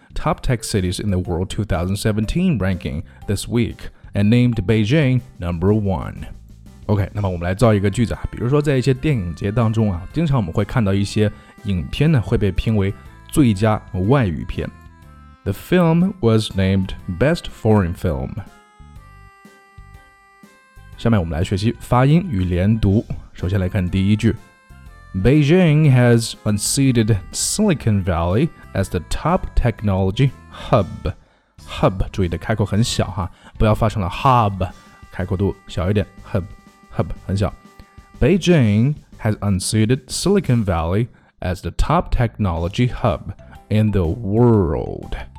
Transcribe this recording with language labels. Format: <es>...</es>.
<en>Top Tech Cities in the World 2017 ranking this week and named Beijing number one.</en> <zh>OK， 那么我们来造一个句子啊，比如说在一些电影节当中啊，经常我们会看到一些影片呢会被评为最佳外语片。</zh> <en>The film was named Best Foreign Film.</en> <zh>下面我们来学习发音与连读。首先来看第一句。</zh> <en>Beijing has unseated Silicon Valley as the top technology hub.</en> <zh>Hub, 注意的开口很小哈，不要发成了 hub, 开口度小一点 ,hub, hub, 很小。</zh> <en>Beijing has unseated Silicon Valley as the top technology hub in the world.</en>